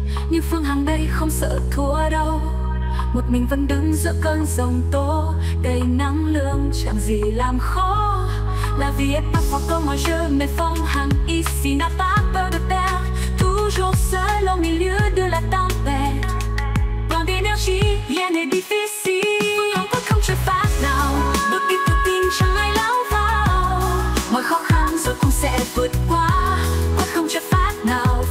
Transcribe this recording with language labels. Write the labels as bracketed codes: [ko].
[vi] Nhưng Phương Hằng đây không sợ thua đâu. Một mình vẫn đứng giữa cơn giông tố. Đầy năng lượng chẳng gì làm khó. [fr] La vie est parfois comme un jeu, mais Phương Hằng ici n'a pas peur de perdre. Toujours seul au milieu de la tempête. Plein d'énergie, rien n'est difficile. [vi] Phương Hằng quyết không chờ phát nào. Bước đi tự tin chẳng ai lao vào. Mọi khó khăn rồi cũng sẽ vượt qua. Quyết không chờ phát nào.